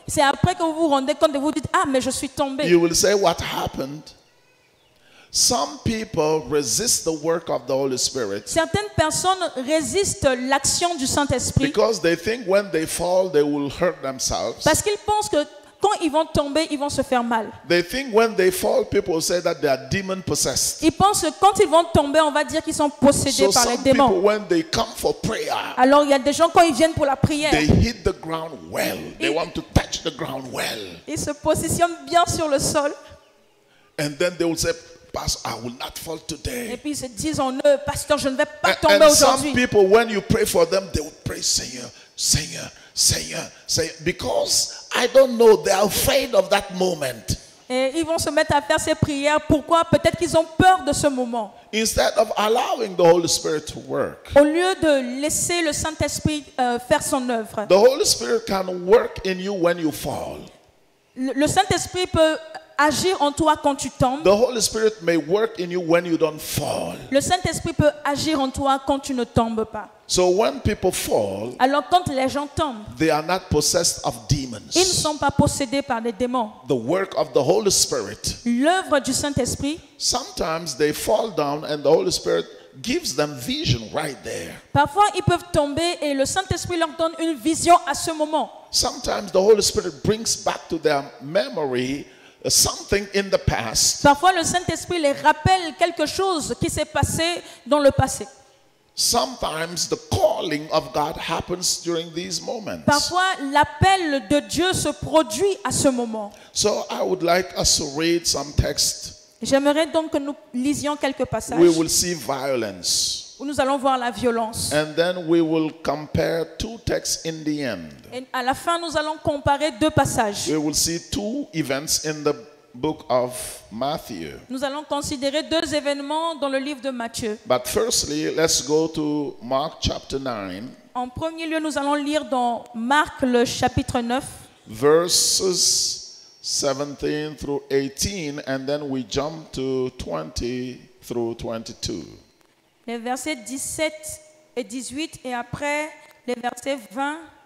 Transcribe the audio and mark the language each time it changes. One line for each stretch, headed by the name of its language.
French: C'est après que vous vous rendez compte et vous dites ah mais je suis tombé.
English: You will say what happened. Some people resist the work of the Holy Spirit.
French: Certaines personnes résistent l'action du Saint-Esprit.
English: Because they think when they fall they will hurt themselves.
French: Parce qu'ils pensent que quand ils vont tomber, ils vont se faire mal.
English: They think when they fall, people say that they are demon possessed.
French: Ils pensent que quand ils vont tomber, on va dire qu'ils sont possédés par les démons.
English: People, when they come for prayer,
French: alors il y a des gens quand ils viennent pour la prière,
English: they hit the ground well. They want to touch the ground well.
French: Ils se positionnent bien sur le sol.
English: And then they will say, "Pastor, I will not fall today."
French: Et puis ils se disent en eux, "Pasteur, je ne vais pas tomber aujourd'hui."
English: And some people, when you pray for them, they will pray,
French: "Seigneur, Seigneur, Seigneur, Seigneur,"
English: because I don't know, they are afraid of that moment.
French: Et ils vont se mettre à faire ces prières. Pourquoi? Peut-être qu'ils ont peur de ce moment.
English: Instead of allowing the Holy Spirit to work.
French: Au lieu de laisser le Saint-Esprit faire son œuvre.
English: The Holy Spirit can work in you when you fall.
French: Le Saint-Esprit peut agir en toi quand tu tombes.
English: The Holy Spirit may work in you when you don't fall.
French: Le Saint-Esprit peut agir en toi quand tu ne tombes pas.
English: So when people fall,
French: alors quand les gens tombent,
English: they are not possessed of demons.
French: Ils ne sont pas possédés par des démons.
English: The work of the Holy Spirit.
French: L'œuvre du Saint-Esprit.
English: Sometimes they fall down and the Holy Spirit gives them vision right there.
French: Parfois ils peuvent tomber et le Saint-Esprit leur donne une vision à ce moment.
English: Sometimes the Holy Spirit brings back to their memory something in the past.
French: Parfois le Saint-Esprit les rappelle quelque chose qui s'est passé dans le passé.
English: Sometimes the calling of God happens during these moments.
French: Parfois l'appel de Dieu se produit à ce moment.
English: So I would like us to read some text.
French: J'aimerais donc que nous lisions quelques passages.
English: We will see violence.
French: où nous allons voir la violence.
English: And then we will compare two texts in the end.
French: Et à la fin, nous allons comparer deux passages.
English: We will see two events in the book of Matthew.
French: Nous allons considérer deux événements dans le livre de Matthieu.
English: But firstly, let's go to Mark chapter 9.
French: En premier lieu, nous allons lire dans Marc le chapitre 9.
English: Verses 17 through 18, and then we jump to 20 through 22.
French: Les versets 17 et 18, et après les versets 20